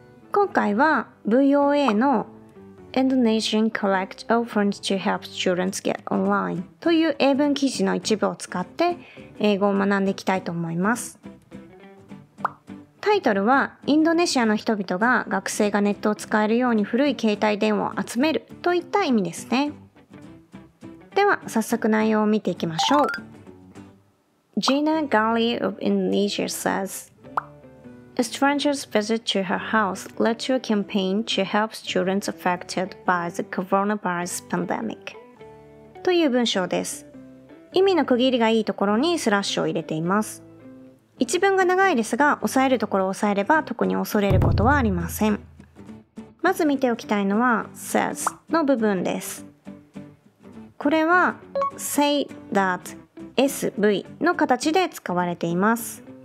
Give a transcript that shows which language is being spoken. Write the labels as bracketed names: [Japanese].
[Japanese] 今回は、VOA の [English] Indonesian collect offers to help students get online [Japanese] という英文記事の一部を使って英語を学んでいきたいと思います。タイトルはインドネシアの人々が学生がネットを使えるように古い携帯電話を集めるといった意味ですね。では早速内容を見ていきましょう。 [English] Gina Gali of Indonesia saysA stranger's visit to her house led to a campaign to help students affected by the coronavirus pandemic. [Japanese] という文章です。意味の区切りがいいところにスラッシュを入れています。一文が長いですが、押さえるところを押さえれば特に恐れることはありません。まず見ておきたいのは、says の部分です。これは、say that, SV の形で使われています。